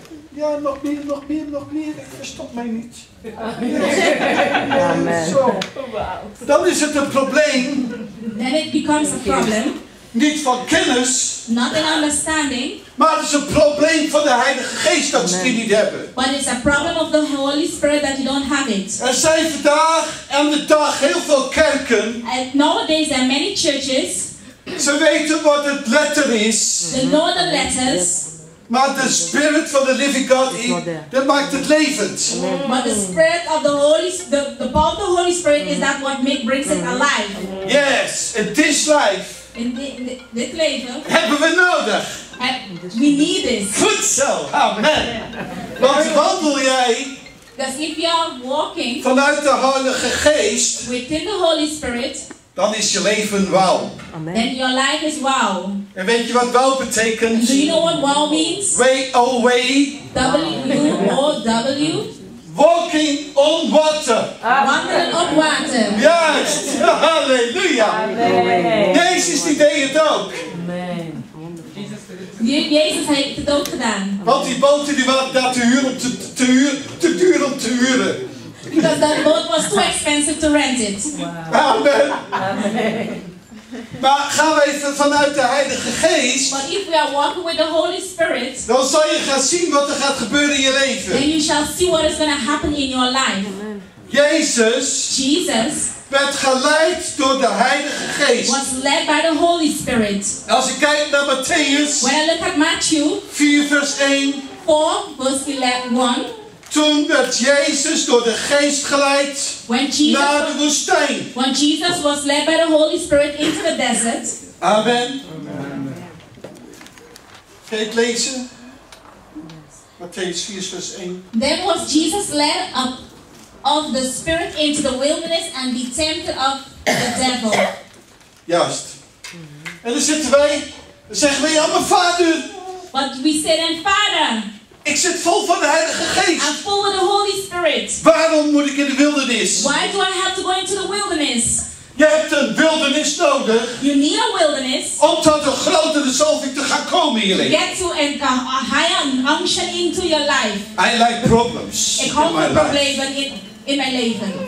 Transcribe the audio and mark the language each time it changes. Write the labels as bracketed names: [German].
[Dutch] Ja, nog meer, nog meer, nog meer. Ik verstop mij niet. Amen. So. Dan is het een probleem. [English] Then it becomes a problem. [Dutch] Niet van kennis. [English] Not an understanding. [Dutch] Maar het is een probleem van de Heilige Geest dat ze die niet hebben. [English] But it's a problem of the Holy Spirit that you don't have it. [Dutch] Er zijn vandaag en de dag heel veel kerken. [English] And nowadays there are many churches. [Dutch] Ze weten wat het letter is. [English] They know the letters. [Dutch] Maar de Spirit van de Living God, dat maakt het levend. Mm. [English] But the Spirit of the Holy, the power of the Holy Spirit is that what make brings it alive. Yes, in this life. [Dutch] In dit leven. Hebben we nodig. [English] We need this. [Dutch] Goed zo. Amen. Want wandel jij. [English] Dus if you are walking. [Dutch] Vanuit de Heilige Geest. [English] Within the Holy Spirit. [Dutch] dan is je leven wauw. [English] Then your life is wow. [Dutch] En weet je wat wow betekent? [English] Do you know what wow means? Way. W-O-W. Walking on water. [Dutch] Wandelen op water. Juist. Halleluja. Jezus die deed het ook. Jezus heeft het ook gedaan. Want die boten die waren daar te duur om te huren. [English] Because that boat was too expensive to rent it. [Dutch] Wow. Amen. Amen. Maar gaan we even vanuit de Heilige Geest. [English] But if we are walking with the Holy Spirit, [Dutch] dan zal je gaan zien wat er gaat gebeuren in je leven. [English] Then you shall see what is going to happen in your life. [Dutch] Jezus. [English] Jesus. [Dutch] Werd geleid door de Heilige Geest. [English] Was led by the Holy Spirit. [Dutch] Als je kijkt naar Matthäus. [English] When I look at Matthew. [Dutch] 4 vers 1. [English] 4 verse 1. [Dutch] Toen werd Jezus door de Geest geleid naar de woestijn. [English] When Jesus was led by the Holy Spirit into the desert. Amen. [Dutch] Kan je het lezen? Matthäus 4 vers 1. [English] Then was Jesus led up of the Spirit into the wilderness and be tempted of the devil. [Dutch] Juist. Mm-hmm. En dan zitten wij, dan zeggen wij, ja, mijn vader. [English] But we said, and father. [Dutch] Ik zit vol van de Heilige Geest. [English] I'm full of the Holy Spirit. [Dutch] Waarom moet ik in de wildernis? [English] Why do I have to go into the wilderness? [Dutch] Je hebt een wildernis nodig. [English] You need a wilderness. [Dutch] Om tot een grotere zalving te gaan komen in je leven. [English] Get to and come a higher unction into your life. I like problems. [Dutch] Ik hou van problemen in mijn leven.